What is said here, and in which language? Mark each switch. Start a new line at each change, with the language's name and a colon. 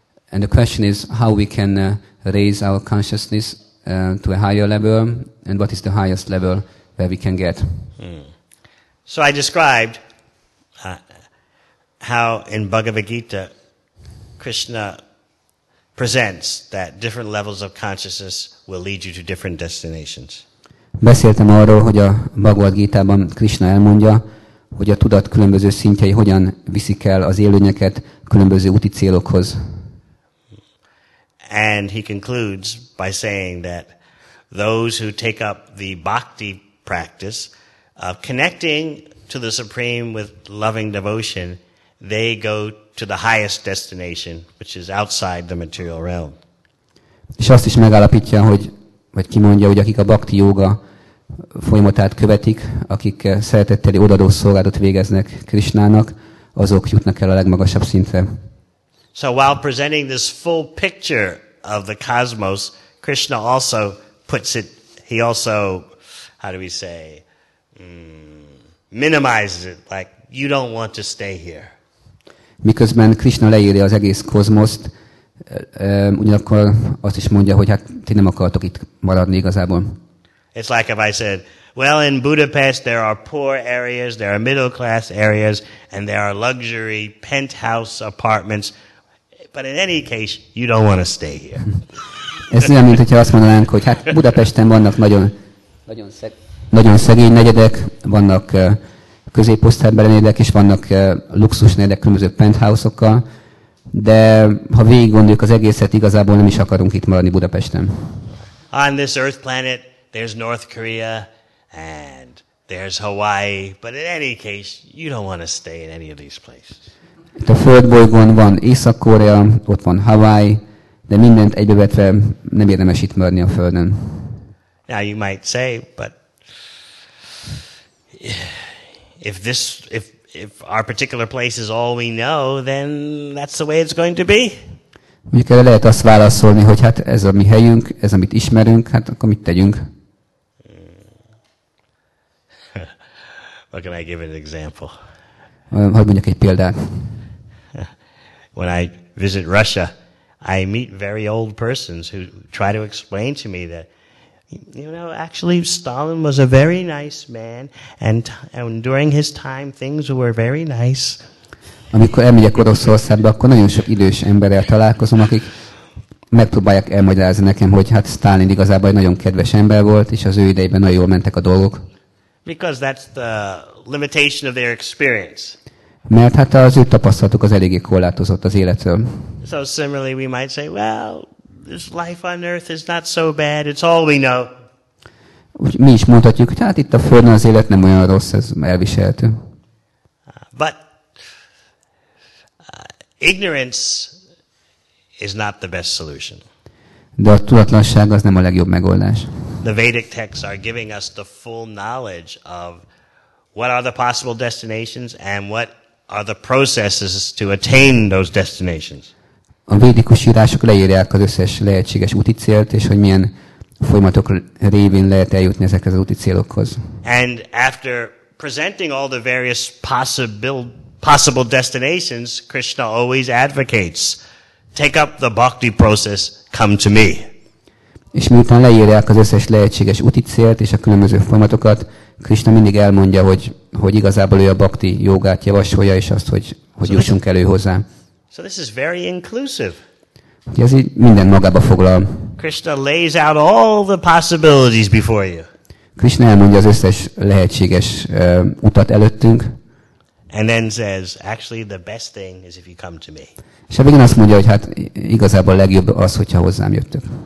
English: And the question is how we can raise our consciousness to a higher level, and what is the highest level where we can get. So I described how in Bhagavad Gita, Krishna presents that different levels of consciousness will lead you to different destinations.
Hungarian: Beszéltem arról, hogy a Bhagavad Gita-ban Krishna elmondja, hogy a tudat különböző szintjei hogyan viszik el az élőnyeket különböző úti célokhoz.
English: And he concludes by saying that those who take up the bhakti practice of connecting to the Supreme with loving devotion, they go to the highest destination, which is outside the material realm.
Hungarian: És azt is megállapítja, hogy vagy kimondja, hogy akik a bhakti jóga folyamatát követik, akik szeretetteli odaadó szolgálatot végeznek Krishnának, azok jutnak el a legmagasabb szintre.
English: So while presenting this full picture of the cosmos, Krishna also puts it, he also, how do we say, minimizes it, like, you don't want to stay here.
Hungarian: Miközben Krishna leírja az egész kozmoszt, ugyanakkor azt is mondja, hogy hát ti nem akartok itt maradni igazából.
English: It's like if I said, well, in Budapest there are poor areas, there are middle class areas, and there are luxury penthouse apartments, but in any case, you don't want to stay here.
Hungarian: Ez olyan, mint hogyha azt mondanánk, hogy hát Budapesten vannak nagyon, nagyon szegény negyedek, vannak középosztálybeli negyedek, és vannak luxus negyedek különböző penthouse-okkal, de ha végig gondoljuk az egészet, igazából nem is akarunk itt maradni Budapesten.
English: On this earth planet, there's North Korea, and there's Hawaii, but in any case, you don't want to stay in any of these places.
Hungarian: Itt a földbolygón van Észak-Korea, ott van Hawaii, de mindent egybevetve nem érdemes itt maradni a Földön.
English: Now you might say, but if this, if our particular place is all we know, then that's the way it's going to be.
Hungarian: Mondjuk erre lehet azt válaszolni, hogy hát ez a mi helyünk, ez amit ismerünk, hát akkor mit tegyünk?
English: What can I give an example?
Hungarian: Hogy mondjak egy példát?
English: When I visit Russia, I meet very old persons who try to explain to me that, you know, actually Stalin was a very nice man, and during his time things were very nice.
Hungarian: Amikor elmegyek Oroszországba, akkor nagyon sok idős emberrel találkozom, akik megpróbálják elmagyarázni nekem, hogy hát Stalin igazából egy nagyon kedves ember volt, és az ő idejében nagyon jól mentek a dolgok.
English: Because that's the limitation of their experience.
Hungarian: Mert hát az ő tapasztalatuk az eléggé korlátozott az életről.
English: So similarly we might say, well, this life on earth is not so bad, it's all we know.
Hungarian: Úgy mi is mondhatjuk, hogy hát itt a Földön az élet nem olyan rossz, ez elviselhető.
English: But ignorance is not the best solution.
Hungarian: De a tudatlanság az nem a legjobb megoldás.
English: The Vedic texts are giving us the full knowledge of what are the possible destinations and what are the processes to attain those destinations.
Hungarian: A védikus írások leírják az összes lehetséges úti célt, és hogy milyen folyamatok révén lehet eljutni ezekhez az úti célokhoz.
English: And after presenting all the various possible destinations, Krishna always advocates, take up the bhakti process, come to me.
Hungarian: És miután leírják az összes lehetséges úti célt és a különböző folyamatokat, Krishna mindig elmondja, hogy igazából ő a bhakti jogát javasolja, és azt, hogy jussunk elő hozzá.
English: So this is very inclusive.
Hungarian: Ez így minden magába foglal.
English: Krishna lays out all the possibilities before you.
Hungarian: Krishna elmondja az összes lehetséges utat előttünk.
English: And then says, actually the best thing is if you come to me.
Hungarian: És a végén azt mondja, hogy hát igazából a legjobb az, hogyha hozzám jöttök.